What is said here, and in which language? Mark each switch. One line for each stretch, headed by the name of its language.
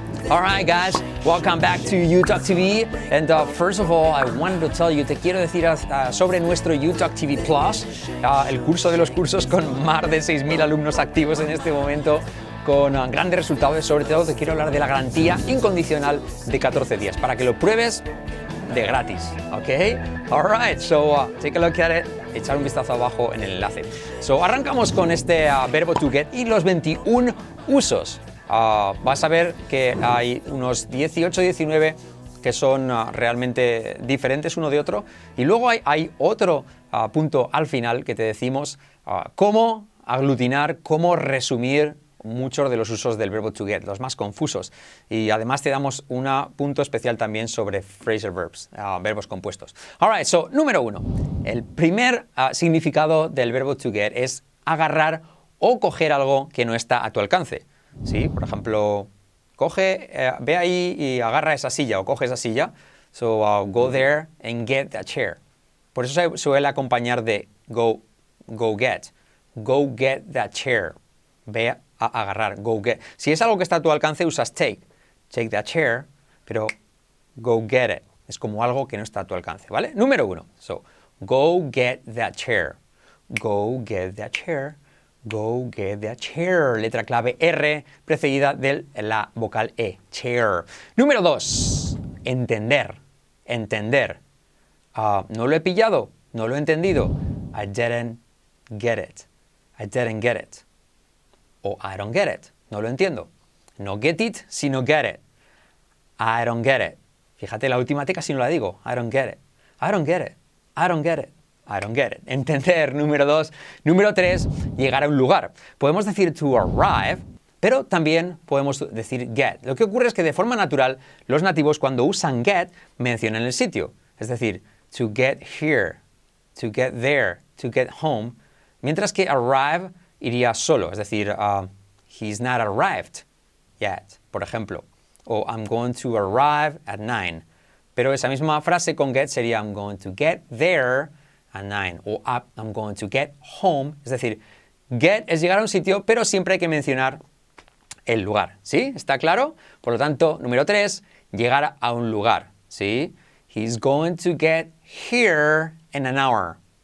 English: All right, guys, welcome back to YouTalk TV. And first of all, I wanted to tell you,
Spanish: te quiero decir sobre nuestro YouTalk TV Plus, el curso de los cursos con más de 6000 alumnos activos en este momento, con grandes resultados. Sobre todo, te quiero hablar de la garantía incondicional de 14 días para que lo pruebes de gratis, ¿ok?
English: All right, so take a look at it,
Spanish: echar un vistazo abajo en el enlace. So, arrancamos con este verbo to get y los 21 usos. Vas a ver que hay unos 18, 19 que son realmente diferentes uno de otro. Y luego hay otro punto al final que te decimos cómo aglutinar, cómo resumir muchos de los usos del verbo to get, los más confusos. Y además te damos un punto especial también sobre phrasal verbs, verbos compuestos. All right, so, número uno. El primer significado del verbo to get es agarrar o coger algo que no está a tu alcance. ¿Sí? Por ejemplo, coge, ve ahí y agarra esa silla o coge esa silla.
English: So, go there and get a chair.
Spanish: Por eso se suele acompañar de go get.
English: Go get that chair.
Spanish: Ve a agarrar,
English: go get.
Spanish: Si es algo que está a tu alcance, usas take.
English: Take that chair,
Spanish: pero
English: go get it.
Spanish: Es como algo que no está a tu alcance, ¿vale? Número uno.
English: So, go get that chair. Go get that chair. Go get that chair.
Spanish: Letra clave R precedida de la vocal E. Chair. Número dos. Entender. Entender. No lo he pillado. No lo he entendido.
English: I didn't get it. I didn't get it.
Spanish: O
English: I don't get it.
Spanish: No lo entiendo.
English: No get it,
Spanish: sino
English: get it. I don't get it.
Spanish: Fíjate la última T casi no la digo.
English: I don't get it. I don't get it. I don't get it. I don't get it.
Spanish: Entender, número dos. Número tres, llegar a un lugar. Podemos decir to arrive, pero también podemos decir get. Lo que ocurre es que de forma natural, los nativos cuando usan get, mencionan el sitio. Es decir, to get here, to get there, to get home. Mientras que arrive iría solo. Es decir,
English: he's not arrived yet,
Spanish: por ejemplo. O
English: I'm going to arrive at 9.
Spanish: Pero esa misma frase con get sería
English: I'm going to get there at 9,
Spanish: o
English: I'm going to get home.
Spanish: Es decir, get es llegar a un sitio, pero siempre hay que mencionar el lugar. ¿Sí? ¿Está claro? Por lo tanto, número 3, llegar a un lugar. ¿Sí?
English: He's going to get here in an hour.